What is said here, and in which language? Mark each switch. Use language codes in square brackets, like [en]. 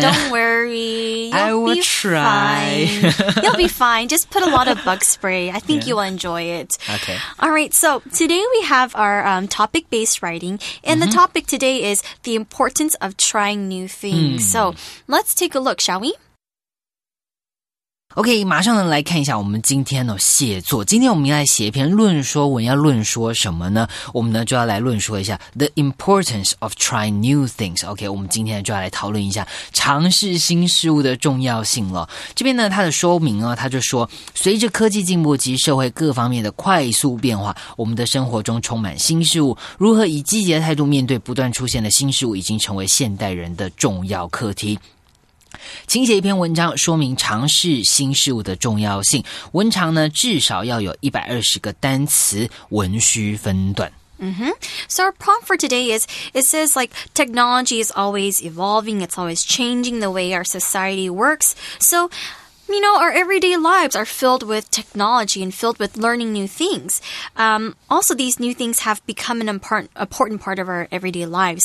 [en] Don't worry. I will try. You'll be fine. Just put a lot of bug spray. I think you will enjoy it. Okay. All right. So today we have our topic-based writing. And the topic today is the importance of trying new things. Mm. So let's take a look, shall we? [zh] OK, 马上来看一下我们今天的写作。今天我们要来写一篇论说文，要论说什么呢？我们呢就要来论说一下 [en] The importance of trying new things。 [zh] OK, 我们今天就要来讨论一下尝试新事物的重要性了。这边呢它的说明啊，它就说随着科技进步及社会各方面的快速变化，我们的生活中充满新事物，如何以积极的态度面对不断出现的新事物已经成为现代人的重要课题。请写一篇文章说明尝试新事物的重要性。文长呢，至少要有120个单词，文需分段。 Mm-hmm. [en] So our prompt for today is, it says like technology is always evolving, it's always changing the way our society works. So, you know, our everyday lives are filled with technology and filled with learning new things. Also, these new things have become an important part of our everyday lives.